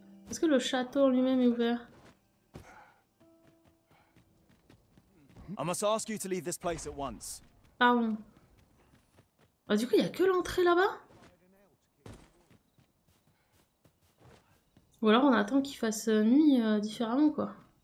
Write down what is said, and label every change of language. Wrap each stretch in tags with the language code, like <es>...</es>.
<fr>Est-ce que le château lui-même est ouvert?</fr> <en>I must ask you to leave this place at once.</en> <fr>Pardon. Ah, du coup, il n'y a que l'entrée là-bas? Ou alors on attend qu'il fasse nuit différemment, quoi.</fr>